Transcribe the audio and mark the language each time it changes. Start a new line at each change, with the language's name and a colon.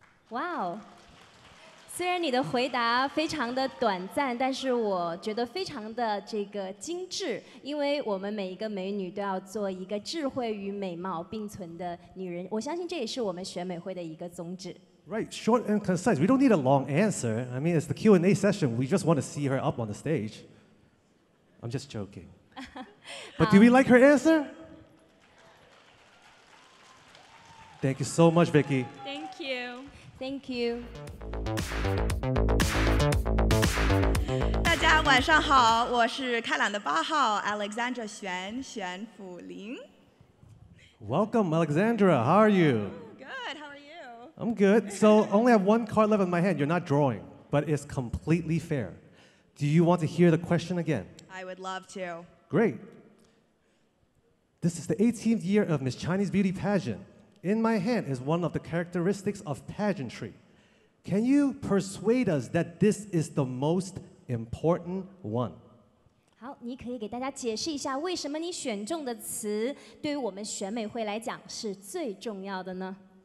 Chinese: 哇哦，虽然你的回答非常的短暂，但是我觉得非常的这个精致，因为我们每一个美女都要做一个智慧与美貌并存的女人，我相信这也是我们选美会的一个宗旨。
English: Right, short and concise. We don't need a long answer. I mean, it's the Q&A session. We just want to see her up on the stage. I'm just joking. But do we like her answer? Thank you so much, Vicky. Thank you. Thank you.
Chinese: 大家晚上好，我是开朗的八号 Alexandra 玄，玄甫林。
English: Welcome, Alexandra. How are you? Good. I'm good. So I only have one card left in my hand. You're not drawing, but it's completely fair. Do you want to hear the question again? I would love to. Great. This is the 18th year of Miss Chinese Beauty Pageant. In my hand is one of the characteristics of pageantry. Can you persuade us that this is the most important one?
Chinese: 好，你可以给大家解释一下为什么你选中的词对于我们选美会来讲是最重要的呢？